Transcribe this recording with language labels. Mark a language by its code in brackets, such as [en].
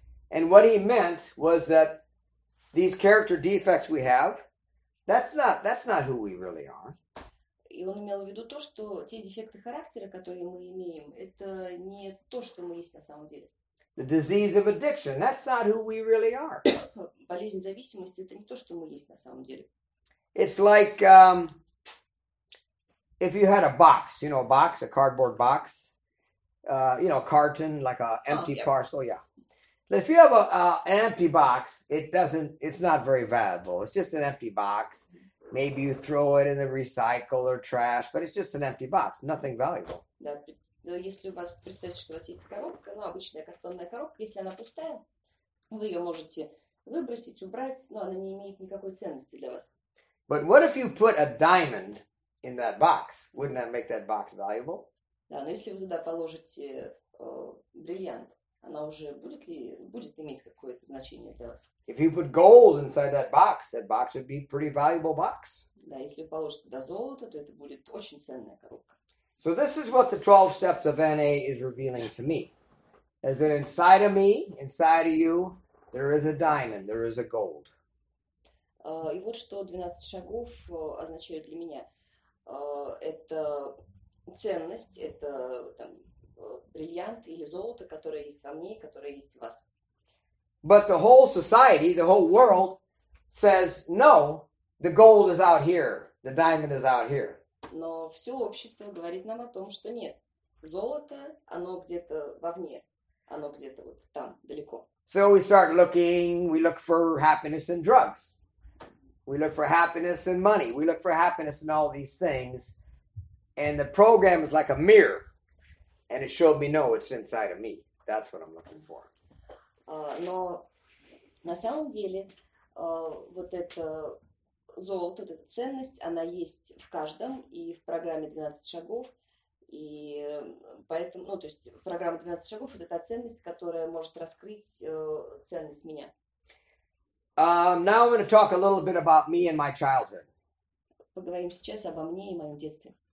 [en] And what he meant was that these character defects we have, that's not who we really are. [ru] И он имел в виду то, что те дефекты характера, которые мы имеем, это не то, что мы есть на самом деле. [en] The disease of addiction, that's not who we really are. [ru] Болезнь зависимости это не то, что мы есть на самом деле. [en] It's like if you had a box, you know, a box, a cardboard box, you know, carton, like a empty parcel, yeah. If you have an empty box, it's not very valuable. It's just an empty box. Maybe you throw it in the recycle or trash, but it's just an empty box. Nothing valuable. [ru] Да, но если у вас представьте, что у вас есть коробка, ну обычная картонная коробка, если она пустая, вы ее можете выбросить, убрать, но она не имеет никакой ценности для вас. [en] But what if you put a diamond in that box? Wouldn't that make that box valuable? [ru] Да, но если вы туда положите бриллиант, она уже будет иметь какое-то значение для вас. [en] If you put gold inside that box would be a pretty valuable box. [ru] Да, если вы положите туда золото, то это будет очень ценная коробка. [en] So this is what the 12 steps of NA is revealing to me. Is that inside of me, inside of you, there is a diamond, there is a gold. [ru] И вот что 12 шагов означают для меня. Это ценность, это там бриллиант или золото, которое есть во мне, которое есть в вас. [en] But the whole society, the whole world says, no, the gold is out here, the diamond is out here. [ru] Но все общество говорит нам о том, что нет, золото, оно где-то вовне, оно где-то вот там, далеко. [en] So we start looking, we look for happiness in drugs. We look for happiness in money. We look for happiness in all these things. And the program is like a mirror. And it showed me, no, it's inside of me. That's what I'm looking for. [ru] Но на самом деле, вот это золото, вот эта ценность, она есть в каждом и в программе 12 шагов. И поэтому, ну, то есть программа 12 шагов – это та ценность, которая может раскрыть ценность меня. [en] Now I'm going to talk a little bit about me and my childhood. [ru] Поговорим сейчас обо мне и моем детстве.